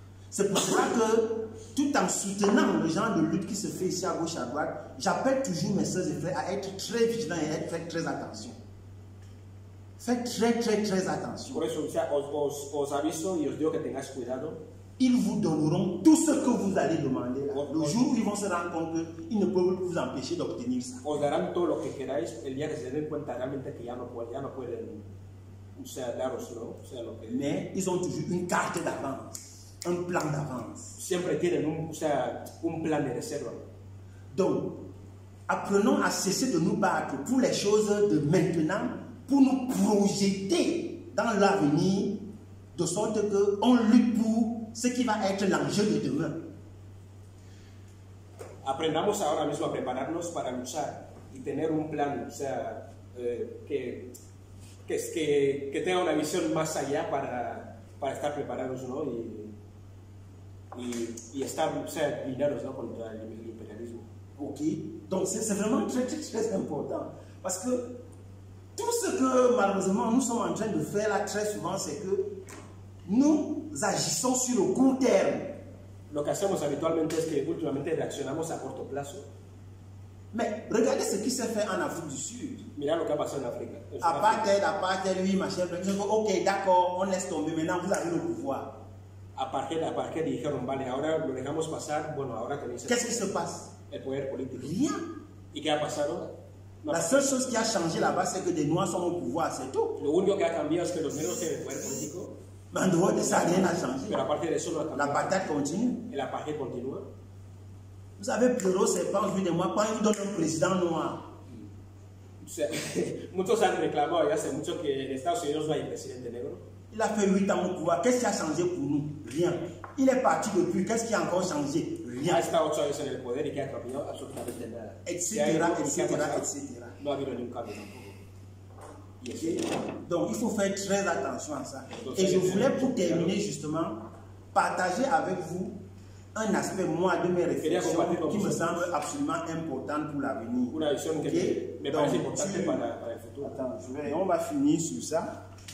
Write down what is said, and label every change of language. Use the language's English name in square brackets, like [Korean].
[French] C'est pour cela que, tout en soutenant le genre de lutte qui se fait ici à gauche à droite, j'appelle toujours mes soeurs et frères à être très vigilants et à faire très attention. Faites très très très attention. [Spanish] Por eso, o sea, os aviso y os digo que tengáis cuidado. [French] Ils vous donneront tout ce que vous allez demander là. Le jour où ils vont se rendre compte qu'ils ne peuvent vous empêcher d'obtenir ça. [Spanish] Os darán todo lo que queráis el día que se den cuenta realmente que ya no pueden, o sea, daroslo, o sea, lo que. [French] Mais ils ont toujours une carte d'avance, un plan d'avance. [Spanish] Siempre tienen un, o sea, un plan de reserva. [French] Donc, apprenons à cesser de nous battre pour les choses de maintenant. Pour nous projeter dans l'avenir, de sorte qu'on lutte pour ce qui va être l'enjeu de demain. [Spanish] Aprendamos ahora mismo a prepararnos para luchar y tener un plan, o sea, que tenga una visión más allá para estar preparados, ¿no? Y estar, o sea, alineados, ¿no? Contra el imperialismo. Ok. [French] Entonces, c'est vraiment très, très, très important. Parce que. Tout ce que malheureusement nous sommes en train de faire là très souvent, c'est que nous agissons sur le court terme. [Spanish] Lo que hacemos habitualmente es que últimamente reaccionamos a corto plazo. [French] Mais regardez ce qui s'est fait en Afrique du Sud. [Spanish] Mira lo que ha pasado en África. [French] Apartheid, oui, ma chère. Ok, d'accord, on laisse tomber, maintenant vous avez le pouvoir. [Spanish] Apartheid, dijeron, vale, ahora lo dejamos pasar, bueno, ahora tenéis. ¿Qué se pasa? El poder político. [French] Rien. [Spanish] ¿Y qué ha pasado? [French] La seule chose qui a changé là-bas, c'est que des Noirs sont au pouvoir, c'est tout. [Spanish] Lo único que ha cambiado es que los negros tienen poder político. [French] Mais en dehors de ça, rien n'a changé. [Spanish] Pero aparte de eso, no ha cambiado. [French] La bataille continue. Et la bataille continue. Vous avez pleuré ces pans, vu des Noirs, quand ils vous donnent un président noir. [Spanish] Muchos han reclamado y hace mucho que en Estados Unidos no hay presidente negro. [French] Il a fait 8 ans au pouvoir. Qu'est-ce qui a changé pour nous? Rien. Il est parti depuis. Qu'est-ce qui a encore changé? Rien. [Spanish] Ha estado 8 años en el poder y que ha cambiado absolutamente nada. Etcétera, etcétera, etcétera. No ha habido ningún cambio tampoco. Okay. [French] Donc, il faut faire très attention à ça. Et je voulais, pour terminer justement, partager avec vous un aspect, moi, de mes réflexions qui me semble absolument important pour l'avenir. [Spanish] Una visión que me parece importante para el futuro. [French] Attends, je vais, on va finir sur ça.